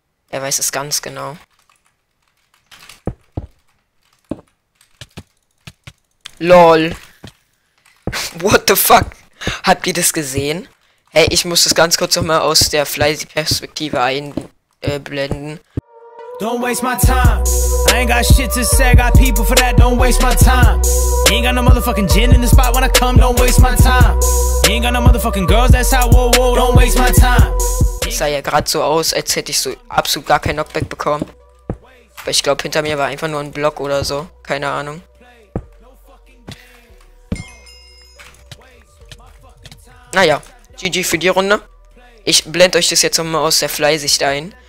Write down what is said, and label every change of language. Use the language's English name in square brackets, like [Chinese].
[German] Er weiß es ganz genau. [English] LOL. What the fuck? [German] Habt ihr das gesehen? Hey, ich muss das ganz kurz nochmal aus der Fleißig-Perspektive einblenden. [English] Don't waste my time. I ain't got shit to say, I got people for that, don't waste my time. Ain't got no motherfucking gin in the spot when I come, don't waste my time. Ain't got no motherfucking girls that's out, whoa, whoa, don't waste my time. [German] Sah ja gerade so aus, als hätte ich so absolut gar kein Knockback bekommen. Aber ich glaube, hinter mir war einfach nur ein Block oder so. Keine Ahnung. Naja, GG für die Runde. Ich blende euch das jetzt nochmal aus der Fleißsicht ein.